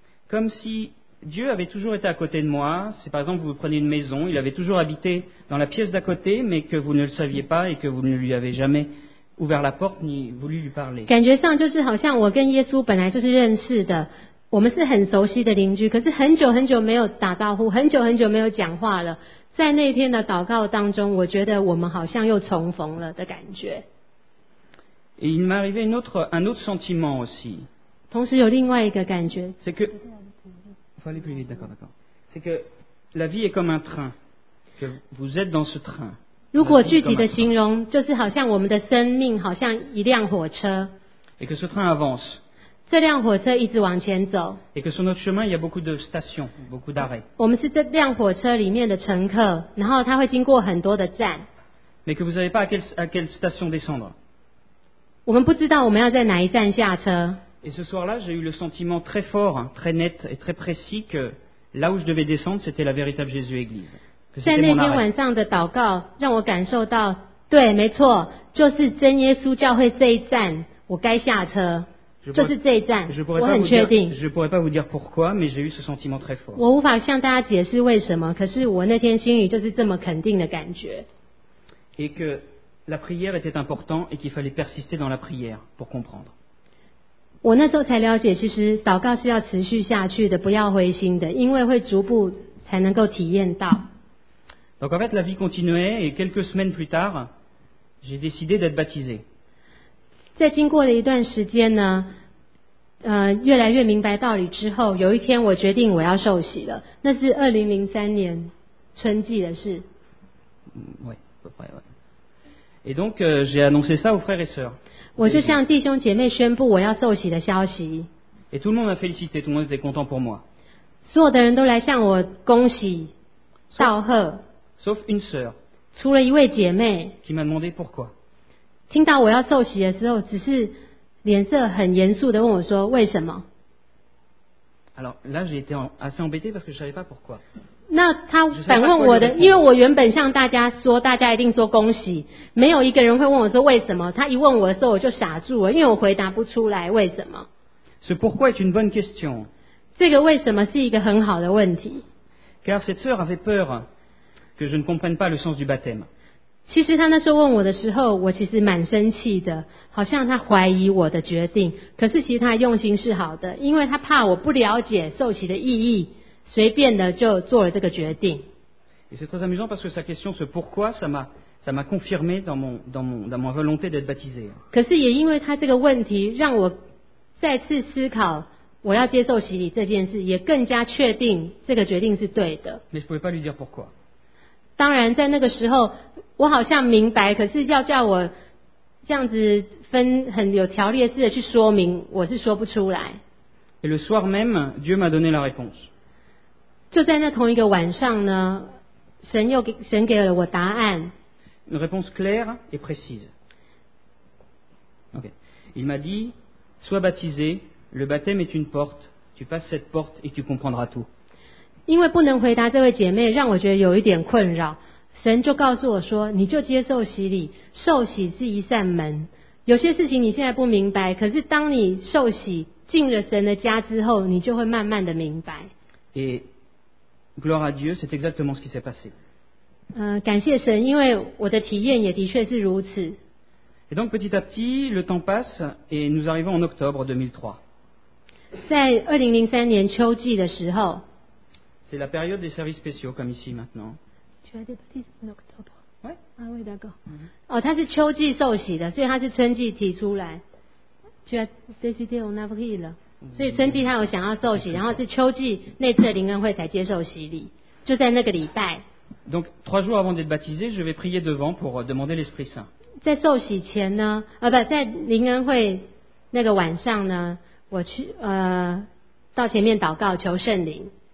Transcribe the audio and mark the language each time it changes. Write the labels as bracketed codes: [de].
[fr] comme si Dieu avait toujours été à côté de moi. Si par exemple vous prenez une maison, il avait toujours habité dans la pièce d'à côté, mais que vous ne le saviez pas et que vous ne lui avez jamais ouvert la porte ni voulu lui parler. [zh] 感觉上就是好像我跟耶稣本来就是认识的，我们是很熟悉的邻居，可是很久很久没有打招呼，很久很久没有讲话了。在那天的祷告当中，我觉得我们好像又重逢了的感觉。 [fr] Et il m'est arrivé un autre sentiment aussi. [zh] 同时有另外一个感觉。 [fr] C'est que Il faut aller plus vite, d'accord. C'est que la vie est comme un train, que vous êtes dans ce train. [zh] 如果具体的形容，就是好像我们的生命好像一辆火车。 [fr] Et que ce train avance. [zh] 这辆火车一直往前走。 [fr] Et que sur notre chemin, il y a beaucoup de stations, beaucoup d'arrêts. [zh] 我们是这辆火车里面的乘客，然后它会经过很多的站。 [fr] Mais que vous n'avez pas à quelle station descendre. [zh] 我们不知道我们要在哪一站下车。 [fr] Et ce soir-là, j'ai eu le sentiment très fort, très net et très précis que là où je devais descendre, c'était la véritable Jésus-Église. [zh] 在那天晚上的祷告让我感受到，对，没错，就是真耶稣教会这一站，我该下车，就是这一站，我很确定。 [fr] Je ne pourrais pas vous dire pourquoi, mais j'ai eu ce sentiment très fort. [zh] 我无法向大家解释为什么，可是我那天心里就是这么肯定的感觉。 [fr] Et que la prière était importante et qu'il fallait persister dans la prière pour comprendre. [zh] 我那时候才了解，其实祷告是要持续下去的，不要灰心的，因为会逐步才能够体验到。 [fr] Donc en fait, la vie continuait et quelques semaines plus tard, j'ai décidé d'être baptisé. [zh] 在经过了一段时间呢，越来越明白道理之后，有一天我决定我要受洗了。那是2003年春季的事。 [fr] Oui, oui, oui. Et donc, j'ai annoncé ça aux frères et sœurs. [zh] 我就向弟兄姐妹宣布我要受洗的消息。 [fr] Et tout le monde a félicité, tout le monde était content pour moi. [zh] 所有的人都来向我恭喜、道贺。 [fr] Sauf une sœur. [zh] 除了一位姐妹。 [fr] Qui m'a demandé pourquoi. [zh] 听到我要受洗的时候，只是脸色很严肃地问我说：“为什么？” [fr] Alors là, j'ai été assez embêté parce que je savais pas pourquoi. [zh] 那他反问我的，因为我原本向大家说，大家一定说恭喜，没有一个人会问我说为什么。他一问我的时候，我就傻住了，因为我回答不出来为什么。 [fr] Ce pourquoi est une bonne question. [zh] 这个为什么是一个很好的问题。 [fr] Car cette sœur avait peur que je ne comprenne pas le sens du baptême. [zh] 其实他那时候问我的时候，我其实蛮生气的，好像他怀疑我的决定。可是其实他用心是好的，因为他怕我不了解受洗的意义。随便的就做了这个决定。 [fr] Et c'est très amusant parce que sa question, ce pourquoi, ça m'a confirmé dans mon volonté d'être baptisé. [zh] 可是也因为他这个问题，让我再次思考我要接受洗礼这件事，也更加确定这个决定是对的。 [fr] Mais je pouvais pas lui dire pourquoi. [zh] 当然，在那个时候，我好像明白，可是要叫我这样子分很有条列式的去说明，我是说不出来。 [fr] Et le soir même, Dieu m'a donné la réponse. [zh] 就在那同一个晚上呢，神给了我答案。 [fr] Une réponse claire et précise. Okay. Il m'a dit, sois baptisé, le baptême est une porte, tu passes cette porte et tu comprendras tout. [zh] 因为不能回答这位姐妹，让我觉得有一点困扰。神就告诉我说，你就接受洗礼，受洗是一扇门。有些事情你现在不明白，可是当你受洗进了神的家之后，你就会慢慢的明白。 [fr] Gloire à Dieu, c'est exactement ce qui s'est passé. [zh] 感谢神，因为我的体验也的确是如此。 [fr] Et donc petit à petit, le temps passe et nous arrivons en octobre 2003. [zh] 在2003年秋季的时候。 [fr] C'est la période des services spéciaux comme ici maintenant. Tu as des petits en octobre. Oui. Ah oui, d'accord. [zh] Mm-hmm. 哦，他是秋季受洗的，所以他是春季提出来。 [fr] Tu as décidé en avril. [zh] 所以春季他有想要受洗，然后是秋季那次的灵恩会才接受洗礼，就在那个礼拜。 [fr] Donc trois jours avant d'être baptisé, je vais prier devant pour demander l'Esprit Saint. [zh] 在受洗前呢，在灵恩会那个晚上呢，我去到前面祷告求圣灵。